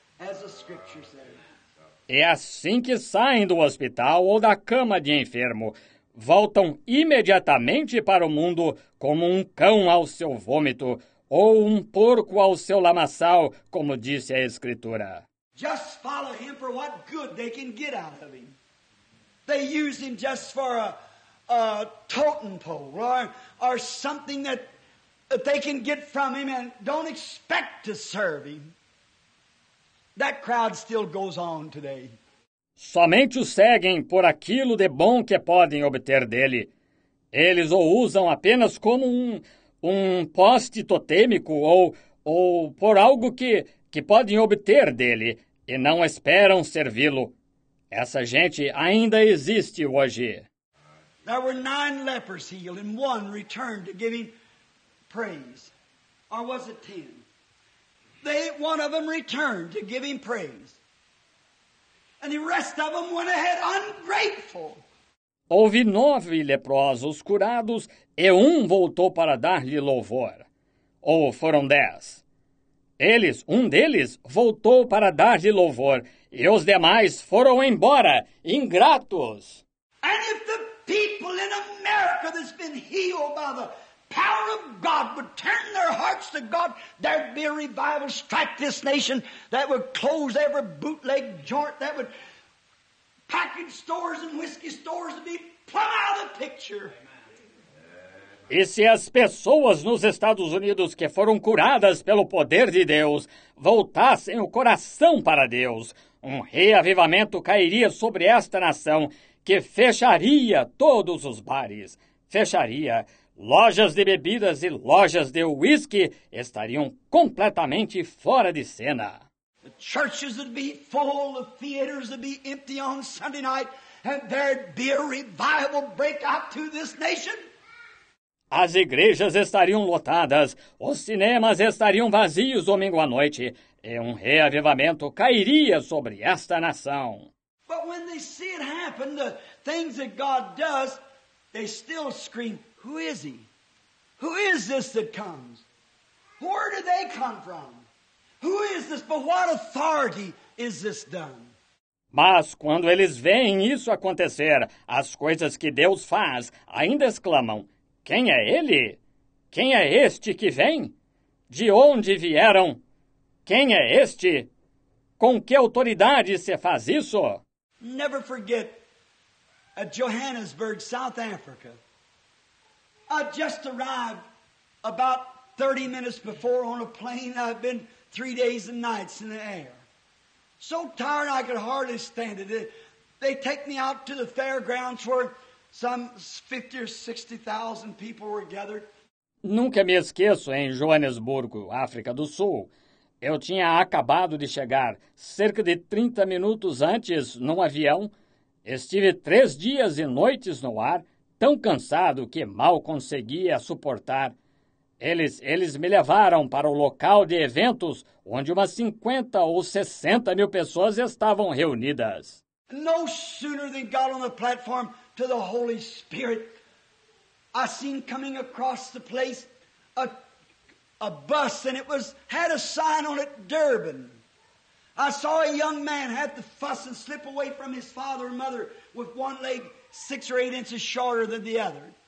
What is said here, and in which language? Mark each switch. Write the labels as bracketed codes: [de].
[en] As the scripture says. [pt] É assim que saem do hospital ou da cama de enfermo. Voltam imediatamente para o mundo como um cão ao seu vômito ou um porco ao seu lamaçal, como disse a escritura. [en] Just follow him for what good they can get out of him. They use him just for a totem pole or something that they can get from him and don't expect to serve him. That crowd still goes on today. [pt] Somente o seguem por aquilo de bom que podem obter dele. Eles o usam apenas como um poste totêmico ou por algo que podem obter dele e não esperam servi-lo. Essa gente ainda existe hoje. [en] There were 9 lepers healed and one returned to give him praise. Or was it 10? One of them returned to give him praise. And the rest of them went ahead ungrateful. [pt] Houve 9 leprosos curados e um voltou para dar-lhe louvor. Ou foram 10? Um deles voltou para dar-lhe louvor e os demais foram embora, ingratos. [en] And if the people in America that's been healed by the power of God would turn their hearts to God, there'd be a revival strike this nation that would close every bootleg joint, that would package stores and whiskey stores would be plumb out of the picture. [pt] E se as pessoas nos Estados Unidos que foram curadas pelo poder de Deus voltassem o coração para Deus, um reavivamento cairia sobre esta nação que fecharia todos os bares. Fecharia. Lojas de bebidas e lojas de uísque estariam completamente fora de cena. [en] The churches would be full, the theaters would be empty on Sunday night, and there'd be a revival breakout to this nation. [pt] As igrejas estariam lotadas, os cinemas estariam vazios domingo à noite, e um reavivamento cairia sobre esta nação. [en] But when they see it happen, the things that God does, they still scream, "Who is he? Who is this that comes? Where do they come from? Who is this? By what authority is this done?" [pt] Mas quando eles veem isso acontecer, as coisas que Deus faz, ainda exclamam, "Quem é ele? Quem é este que vem? De onde vieram? Quem é este? Com que autoridade se faz isso?" [en] Never forget, at Johannesburg, South Africa, I just arrived about 30 minutes before on a plane. I've been 3 days and nights in the air. So tired I could hardly stand it. They take me out to the fairgrounds where some 50 or 60,000 people were gathered. [pt] Nunca me esqueço em Joanesburgo, África do Sul. Eu tinha acabado de chegar cerca de 30 minutos antes num avião. Estive 3 dias e noites no ar, tão cansado que mal conseguia suportar. Eles me levaram para o local de eventos onde umas 50 ou 60 mil pessoas estavam reunidas. [en] No sooner than got on the platform to the Holy Spirit, I seen coming across the place a bus, and it was had a sign on it, Durban. I saw a young man had to fuss and slip away from his father and mother with one leg 6 or 8 inches shorter than the other.